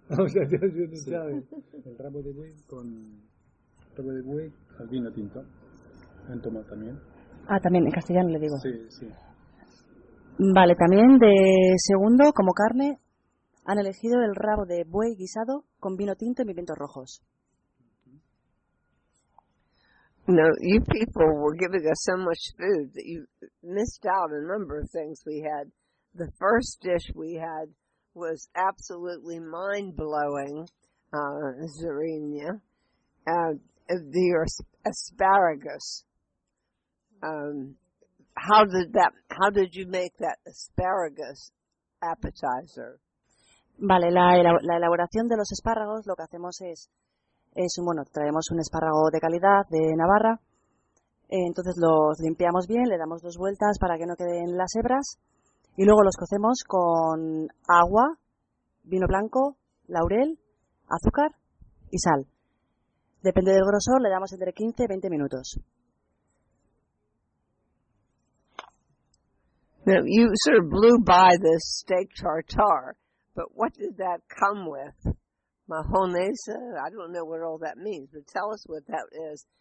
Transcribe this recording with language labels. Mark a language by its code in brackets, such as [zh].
[es] El rabo de buey con rabo de buey al vino tinto, en tomate también. Ah, también, en castellano le digo. Sí, sí. Vale, también de segundo, como carne, han elegido el rabo de buey guisado con vino tinto y pimientos rojos. [en] No, you people were giving us so much food that you missed out a number of things we had. The first dish we had was absolutely mind-blowing. Zarina, the asparagus, How did you make that asparagus appetizer? [es] Vale, la elaboración de los espárragos, lo que hacemos es bueno, traemos un espárrago de calidad de Navarra. Entonces los limpiamos bien, le damos dos vueltas para que no queden las hebras y luego los cocemos con agua, vino blanco, laurel, azúcar y sal. Depende del grosor, le damos entre 15 y 20 minutos. [en] Now you sort of blew by this steak tartare, but what did that come with? Mahonesa? I don't know what all that means, but tell us what that is.